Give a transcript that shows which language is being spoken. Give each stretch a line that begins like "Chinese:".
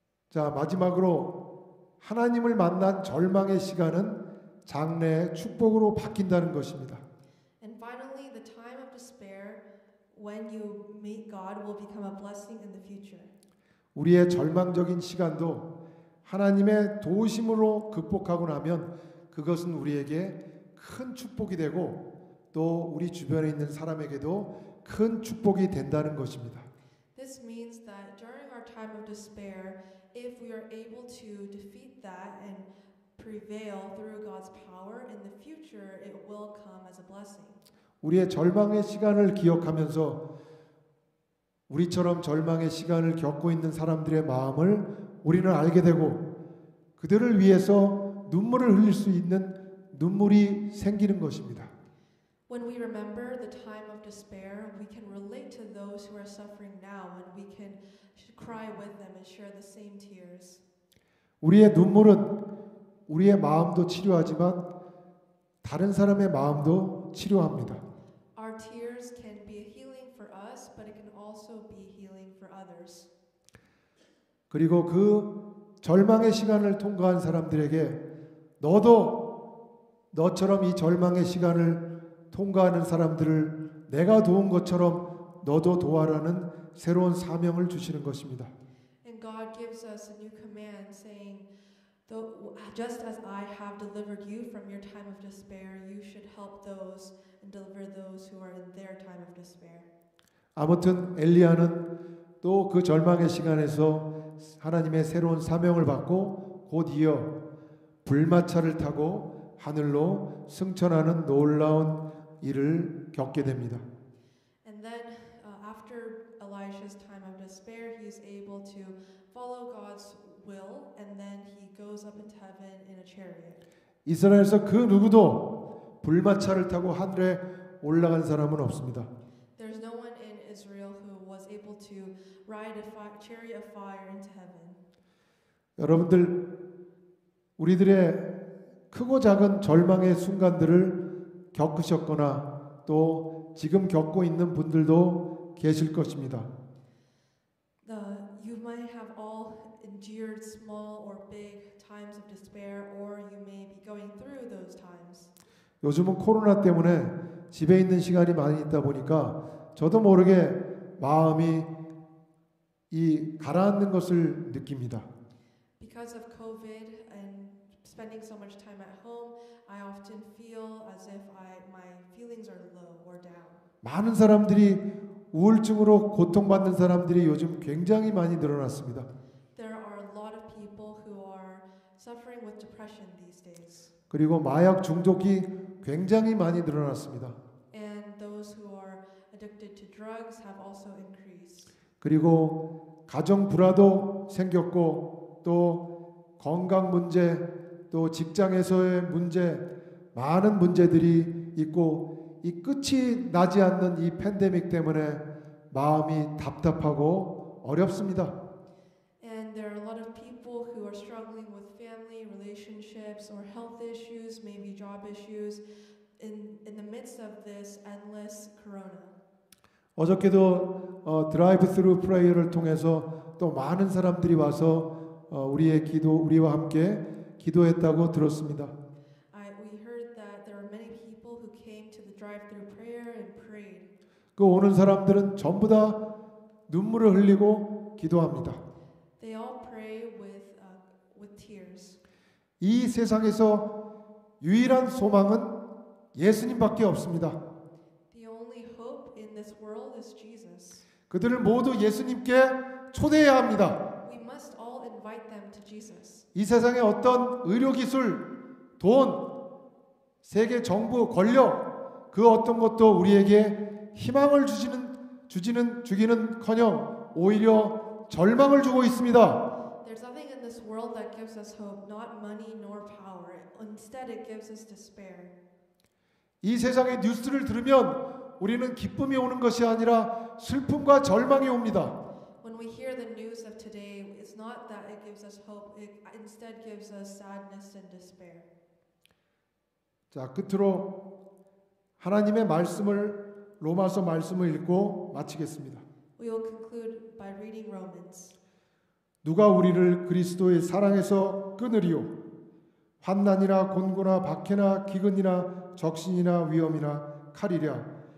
Korean: 자, 마지막으로 하나님을 만난 절망의 시간은 장래의 축복으로 바뀐다는 것입니다.
English: And finally, the time of despair when you meet God will become a blessing in the future.
Korean: 우리의 절망적인 시간도 하나님의 도우심으로 극복하고 나면 그것은 우리에게 큰 축복이 되고 또 우리 주변에 있는 사람에게도 큰 축복이 된다는 것입니다.
English: This means that during our time of despair, if we are able to defeat that and prevail through God's power in the future, it will come as a blessing.
Korean: 우리의 절망의 시간을 기억하면서 우리처럼 절망의 시간을 겪고 있는 사람들의 마음을 우리는 알게 되고 그들을 위해서 눈물을 흘릴 수 있는 눈물이 생기는 것입니다.
English: When we remember the time of despair, we can relate to those who are suffering now and we can cry with them and share the same tears.
Korean: 우리의 눈물은 우리의 마음도 치료하지만 다른 사람의 마음도 치료합니다.
English: Our tears can be a healing for us, but it can also be healing for others.
Korean: 그리고 그 절망의 시간을 통과한 사람들에게 너도 너처럼 이 절망의 시간을 통과하는 사람들을 내가 도운 것처럼 너도 도와라는 새로운 사명을 주시는 것입니다.
English: And God gives us a new command saying, just as I have delivered you from your time of despair, you should help those and deliver those who are in their time of despair.
Korean: 아무튼 엘리야는 또 그 절망의 시간에서 하나님의 새로운 사명을 받고 곧 이어 불마차를 타고 하늘로 승천하는 놀라운 일을 겪게 됩니다.
English: And then after Elijah's time of despair, he is able to follow God's will and then he goes up into heaven in a chariot.
Korean: 이스라엘에서 그 누구도 불마차를 타고 하늘에 올라간 사람은 없습니다.
English: There's no one in Israel who was able to ride a chariot of fire into heaven.
Korean: 여러분들 우리들의 크고 작은 절망의 순간들을 겪으셨거나 또 지금 겪고 있는 분들도 계실 것입니다.
English: You might have all endured small or big times of despair, or you may be going through those times.
Korean: 요즘은 코로나 때문에 집에 있는 시간이 많이 있다 보니까 저도 모르게 마음이 이 가라앉는 것을 느낍니다.
English: Because of COVID and spending so much time at home, I often feel as if my feelings are low or down.
Korean: 많은 사람들이 우울증으로 고통받는 사람들이 요즘 굉장히 많이 늘어났습니다.
English: There are a lot of people who are suffering with depression these days.
Korean: 그리고 마약 중독이 굉장히 많이 늘어났습니다.
English: And those who are addicted to drugs have also increased.
Korean: 그리고 가정 불화도 생겼고 또 건강 문제 또 직장에서의 문제 많은 문제들이 있고 이 끝이 나지 않는 이 팬데믹 때문에 마음이 답답하고 어렵습니다.
English: And there are a lot of people who are struggling with family relationships or health issues, maybe job issues in the midst of this endless corona.
Korean: 어저께도 드라이브 스루 프레이어를 통해서 또 많은 사람들이 와서 우리의 기도 우리와 함께 기도했다고 들었습니다.
English: We heard that there are many people who came to the drive-through prayer and prayed.
Korean: 그 오는 사람들은 전부 다 눈물을 흘리고 기도합니다.
English: They all pray with tears.
Korean: 이 세상에서 유일한 소망은 예수님밖에 없습니다.
English: The only hope in this world is Jesus.
Korean: 그들을 모두 예수님께 초대해야 합니다.
English: We must all invite them to Jesus.
Korean: 이 세상에 어떤 의료기술, 돈, 세계 정부, 권력, 그 어떤 것도 우리에게 희망을 주기는커녕 오히려 절망을 주고 있습니다.
English: There's nothing in this world that gives us hope, not money nor power. Instead, it gives us despair.
Korean: 이 세상의 뉴스를 들으면 우리는 기쁨이 오는 것이 아니라 슬픔과 절망이 옵니다.
English: When we hear the news of today, it's not that it gives us hope. It instead gives us sadness and despair.
Korean: 자, 끝으로 하나님의 말씀을 로마서 말씀을 읽고 마치겠습니다.
English: We will conclude by reading Romans.
Korean: 누가 우리를 그리스도의 사랑에서 끊으리요? 환난이나 곤고나 박해나 기근이나 적신이나 위험이나 칼이랴.